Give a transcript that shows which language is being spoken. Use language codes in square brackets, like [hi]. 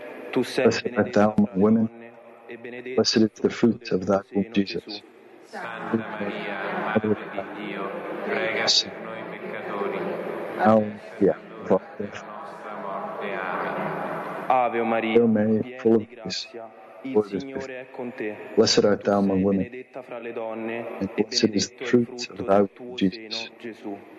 [it] Tu sei benedetta tra le donne, e benedetto [en] blessed is the fruit of thy womb, Jesus. [it] Santa Maria, Madre di Dio, prega per noi peccatori, adesso e all'ora della nostra morte. Amen. Ave Maria, piena di grazia, il Signore è con te. [en] Blessed art thou among women, [it] benedetta fra le donne, e benedetto il frutto del tuo seno, Gesù.